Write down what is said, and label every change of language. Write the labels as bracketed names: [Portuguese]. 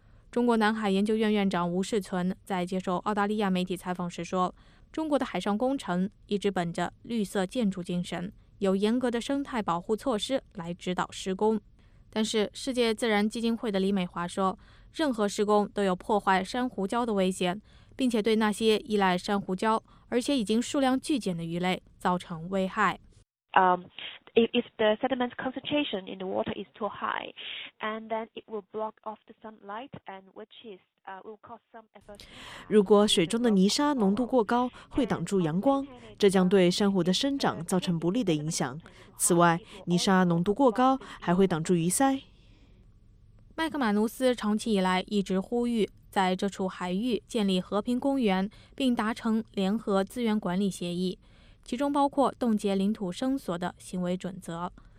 [Chinese] 中国南海研究院院长吴世存在接受澳大利亚媒体采访时说，中国的海上工程一直本着绿色建筑精神，有严格的生态保护措施来指导施工。但是世界自然基金会的李美华说，任何施工都有破坏珊瑚礁的危险，并且对那些依赖珊瑚礁而且已经数量巨减的鱼类造成危害。 [English] if the sediment concentration in the water is too high, and then it will block off the sunlight, and which is will cause some effort. [Chinese] 如果水中的泥沙浓度过高，会挡住阳光，这将对珊瑚的生长造成不利的影响。此外，泥沙浓度过高还会挡住鱼鳃。麦克马努斯长期以来一直呼吁在这处海域建立和平公园，并达成联合资源管理协议，其中包括冻结领土生索的行为准则。